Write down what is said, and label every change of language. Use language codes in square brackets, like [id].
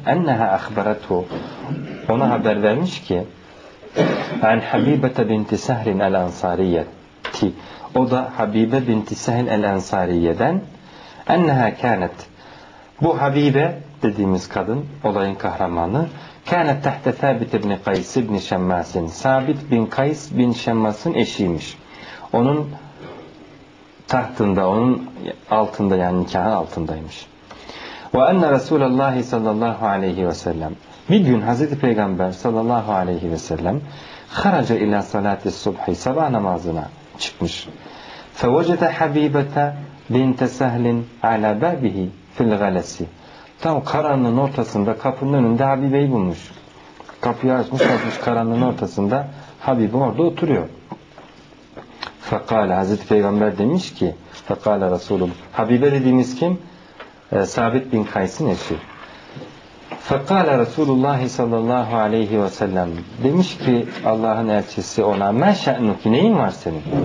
[ar] Enneha akhbaratu, [tr] ona haber vermiş ki. An Habibata binti Sahrin el-Ansariyeti, o da Habibe binti Sahin el-Ansariye'den. [ar] Enneha kânet, [tr] bu Habibe dediğimiz kadın, olayın kahramanı. [ar] كانت تحت ثابت بن قيس بن شماس, ثابت بن قيس بن شماس [tr] 'ın eşiymiş. [ar] Onun tahtında, onun altında, yani nikahın altındaymış. وأن رسول الله صلى الله عليه وسلم, [tr] bir gün Hazreti Peygamber sallallahu aleyhi ve sellem [ar] خرج إلى صلاة الصبح, [tr] sabah namazına çıkmış. [ar] ف فوجد حبيبة بنت سهل على بابه في الغلس. [tr] Tam karanlığın ortasında, kapının önünde Habibe'yi bulmuş. Kapıyı açmış, açmış karanlığın ortasında Habibe orada oturuyor. Fekale, Hazreti Peygamber demiş ki, Fekale Resulüm, Habibe dediğimiz kim? Sabit bin Kays'ın eşi. Fekale Resulullah sallallahu aleyhi ve sellem, demiş ki Allah'ın elçisi ona, [ar] men şe'nuki, [tr] neyin var senin?